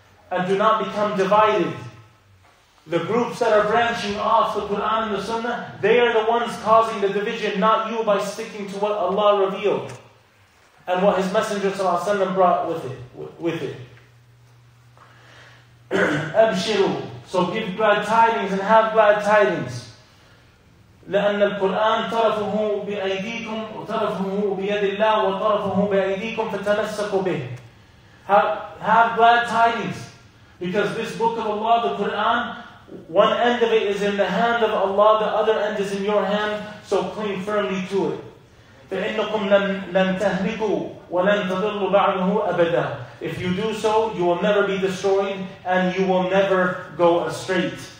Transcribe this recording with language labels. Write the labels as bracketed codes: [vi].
[en] And do not become divided. The groups that are branching off the Qur'an and the Sunnah, they are the ones causing the division, not you by sticking to what Allah revealed. and what his Messenger صلى الله عليه وسلم brought with it. [ar] أبشروا. [en] So give glad tidings and have glad tidings. [ar] لأن القرآن طرفه بأيديكم وطرفه بيد الله وطرفه بأيديكم فتمسكوا به. [en] Have glad tidings. Because this book of Allah, the Quran, one end of it is in the hand of Allah, the other end is in your hand, so cling firmly to it. [ar] فإنكم لن تهلكوا ولن تضلوا بعده أبدا. [en] If you do so, you will never be destroyed and you will never go astray.